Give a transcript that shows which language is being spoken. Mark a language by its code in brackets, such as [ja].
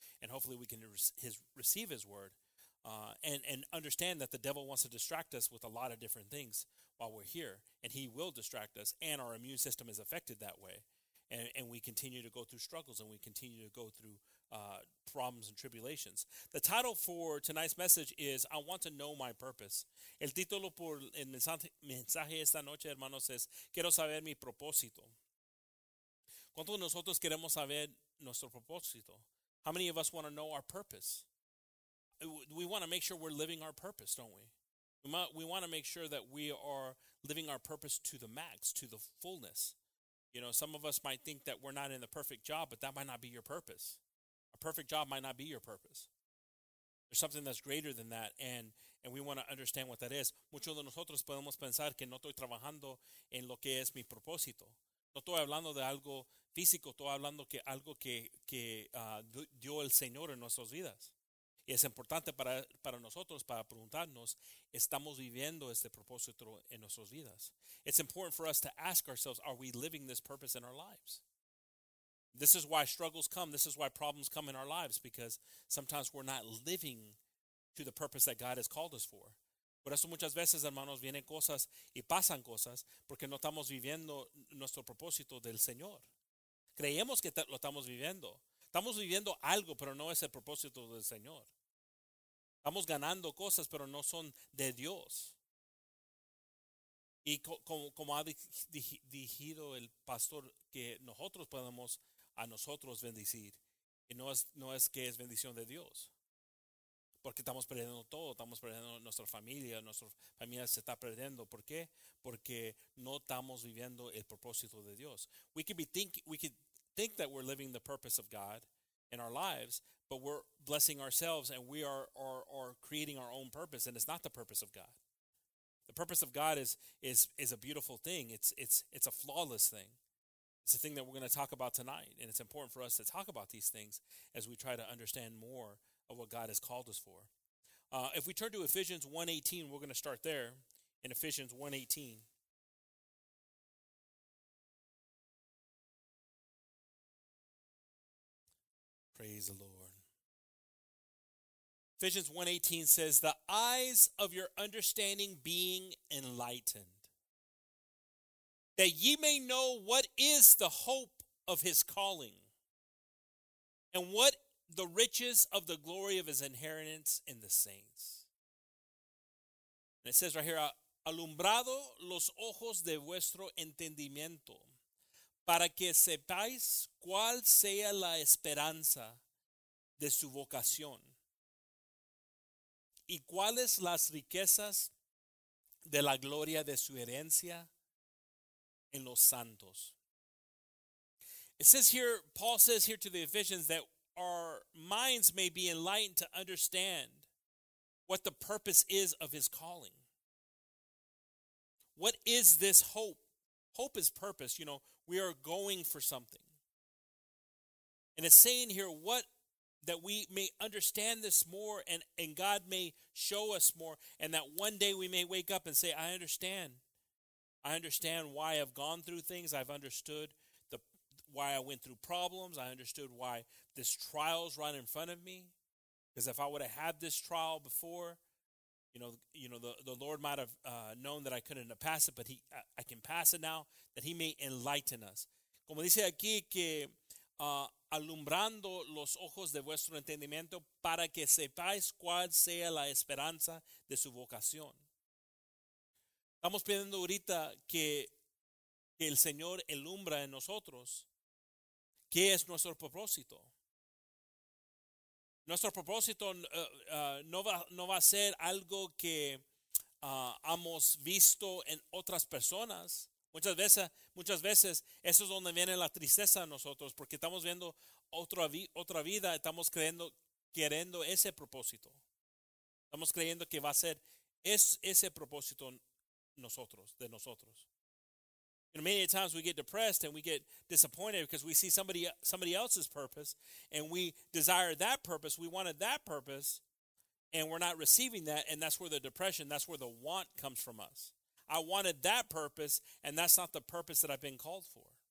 [en] And hopefully we can receive his word and understand that the devil wants to distract us with a lot of different things while we're here. And he will distract us, and our immune system is affected that way. and we continue to go through struggles, and we continue to go through problems and tribulations. The title for tonight's message is I Want to Know My Purpose. [es] El título por el mensaje esta noche, hermanos, es Quiero Saber Mi Propósito. ¿Cuántos de nosotros queremos saber nuestro propósito? [en] How many of us want to know our purpose? We want to make sure we're living our purpose, don't we? We want to make sure that we are living our purpose to the max, to the fullness. You know, some of us might think that we're not in the perfect job, but that might not be your purpose. A perfect job might not be your purpose. There's something that's greater than that, and we want to understand what that is. [es] Muchos de nosotros podemos pensar que no estoy trabajando en lo que es mi propósito. No estoy hablando de algo físico, estoy hablando que algo que dio el Señor en nuestras vidas. Y es importante para nosotros, para preguntarnos, ¿estamos viviendo este propósito en nuestras vidas? [en] It's important for us to ask ourselves, are we living this purpose in our lives? This is why struggles come. This is why problems come in our lives, because sometimes we're not living to the purpose that God has called us for. [es] Por eso muchas veces, hermanos, vienen cosas y pasan cosas porque no estamos viviendo nuestro propósito del Señor. Creemos que lo estamos viviendo. Estamos viviendo algo, pero no es el propósito del Señor. Estamos ganando cosas, pero no son de Dios. Y como ha dirigido el pastor, que nosotros podemos a nosotros bendecir. Y no es que es bendición de Dios. Porque estamos perdiendo todo. Estamos perdiendo nuestra familia se está perdiendo. ¿Por qué? Porque no estamos viviendo el propósito de Dios. [en] We could think that we're living the purpose of God in our lives, but we're blessing ourselves and we are creating our own purpose, and it's not the purpose of God. The purpose of God is a beautiful thing. It's a flawless thing. It's a thing that we're going to talk about tonight, and it's important for us to talk about these things as we try to understand more of what God has called us for. If we turn to Ephesians 1:18, we're going to start there in Ephesians 1:18. Praise the Lord. Ephesians 1:18 says, the eyes of your understanding being enlightened, that ye may know what is the hope of his calling, and what the riches of the glory of his inheritance in the saints. And it says right here, [es] alumbrado los ojos de vuestro entendimiento, para que sepáis cuál sea la esperanza de su vocación y cuáles las riquezas de la gloria de su herencia en los santos. [en] It says here, Paul says here to the Ephesians that our minds may be enlightened to understand what the purpose is of his calling. What is this hope? Hope is purpose. You know, we are going for something. And it's saying here, what that we may understand this more and God may show us more, and that one day we may wake up and say, I understand. I understand why I've gone through things. I've understood why I went through problems. I understood why this trial's right in front of me. Because if I would have had this trial before, you know, the Lord might have known that I couldn't have passed it, but I can pass it now, that he may enlighten us. [es] Como dice aquí, que alumbrando los ojos de vuestro entendimiento para que sepáis cuál sea la esperanza de su vocación. Estamos pidiendo ahorita que el Señor alumbra en nosotros qué es nuestro propósito. Nuestro propósito no va a ser algo que hemos visto en otras personas. Muchas veces eso es donde viene la tristeza a nosotros, porque estamos viendo otra vida, estamos queriendo ese propósito. Estamos creyendo que va a ser ese propósito de nosotros. [en] You know, many times we get depressed and we get disappointed because we see somebody else's purpose and we desire that purpose, we wanted that purpose, and we're not receiving that, and that's where the depression, that's where the want comes from us. I wanted that purpose, and that's not the purpose that I've been called for.